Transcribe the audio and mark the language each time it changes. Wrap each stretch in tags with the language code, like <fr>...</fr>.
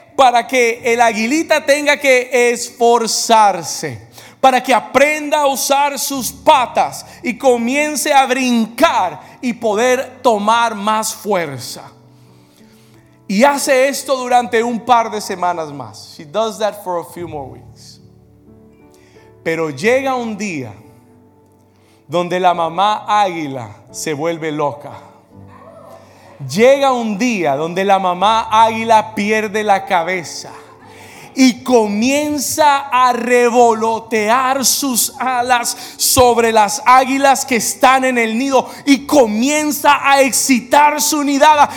<es>Para que el aguilita tenga que esforzarse, para que aprenda a usar sus patas y comience a brincar y poder tomar más fuerza. Y hace esto durante un par de semanas más.</es> <en>She does that for a few more weeks.</en> <es>Pero llega un día donde la mamá águila se vuelve loca. Llega un día donde la mamá águila pierde la cabeza y comienza a revolotear sus alas sobre las águilas que están en el nido y comienza a excitar su nidada.</es>